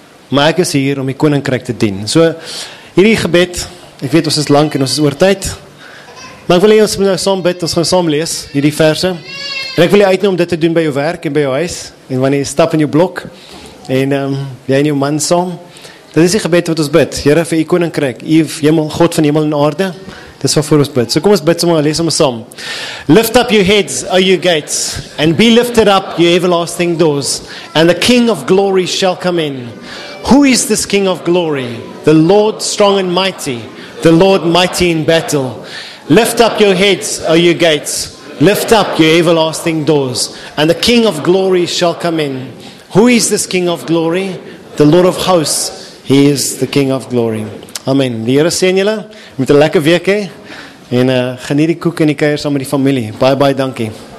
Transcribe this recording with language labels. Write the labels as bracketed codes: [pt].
[af] Maar ek is hier om die koninkryk te dien. So, hierdie gebed, ek weet ons is lank en ons is oor tyd, maar ek wil hier ons nou saam bid, ons gaan saam lees, hierdie verse, en ek wil hier uitnoem om dit te doen by jou werk en by jou huis, en wanneer jy stap in jou blok, en jy en jou man saam, dit is die gebed wat ons bid, Here vir die koninkryk, God van hemel en aarde, dit is wat voor ons bid. So kom ons bid, sommer, lees ons saam. [en] Lift up your heads, O you gates, and be lifted up, you everlasting doors, and the King of glory shall come in. Who is this King of glory? The Lord strong and mighty, the Lord mighty in battle. Lift up your heads, O you gates, lift up your everlasting doors, and the King of glory shall come in. Who is this King of glory? the Lord of hosts, he is the King of glory. [af] Amen. Die Here sien julle. Met 'n lekker week hè. En geniet die koek en die kuier saam met die familie. Bye bye, dankie.